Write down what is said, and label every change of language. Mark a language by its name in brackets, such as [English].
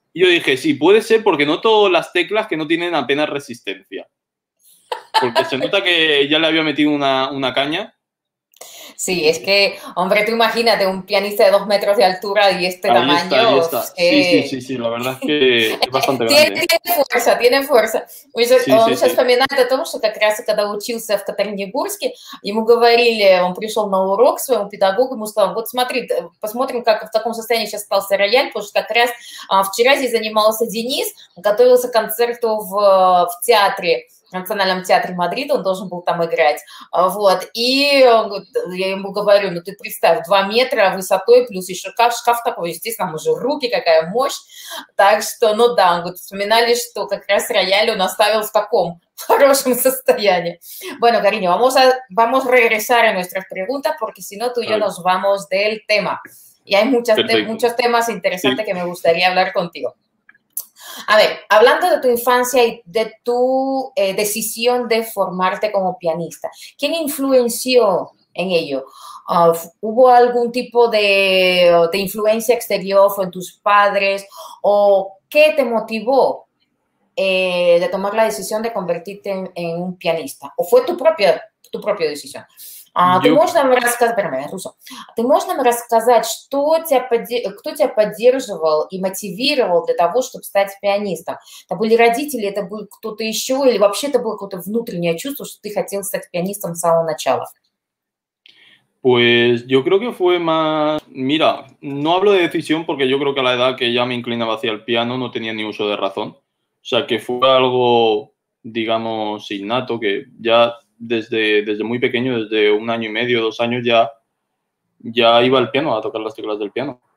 [Spanish] Y yo dije, sí, puede ser porque noto las teclas que no tienen apenas resistencia. Porque se nota que ya le había metido una caña. Sí, es que, hombre, tú imagínate un pianista de 2 metros de altura y este ahí tamaño. Ahí está. Sí, la verdad es que es bastante grande. Tiene fuerza. [Russian] Он сейчас вспоминает о том, что как раз когда учился в Катаринбурге, ему говорили, он пришел на урок своему педагогу, ему сказал, вот смотри, посмотрим, как в таком состоянии сейчас остался рояль, потому что как раз вчера здесь занимался Денис, готовился к концерту в театре. В Национальном театре Мадрида он должен был там играть. Вот. И я ему говорю, ну ты представь, 2 метра высотой, плюс еще шкаф такой, естественно, уже руки, какая мощь. Так что, ну да, он говорит, вспоминали, что как раз рояль он оставил в таком хорошем состоянии. [Spanish] Bueno, cariño, vamos a regresar a nuestras preguntas, porque si no, tú y yo nos vamos del tema. Y hay muchos temas interesantes que me gustaría hablar contigo. A ver, hablando de tu infancia y de tu decisión de formarte como pianista, ¿quién influenció en ello? ¿Hubo algún tipo de influencia exterior? ¿Fue en tus padres? ¿O qué te motivó de tomar la decisión de convertirte en un pianista? ¿O fue tu propia decisión? [Russian] Ты можешь нам рассказать, прямо, Руссо, ты можешь нам рассказать, что тебя кто тебя поддерживал и мотивировал для того, чтобы стать пианистом? Это были родители, это был кто-то еще, или вообще это было какое-то внутреннее чувство, что ты хотел стать пианистом с самого начала? [Spanish] Pues yo creo que fue más, mira, no hablo de decisión porque yo creo que a la edad que ya me inclinaba hacia el piano no tenía ni uso de razón. O sea, que fue algo, digamos, innato, que ya desde muy pequeño, desde un año y medio, dos años, ya iba al piano a tocar las teclas del piano.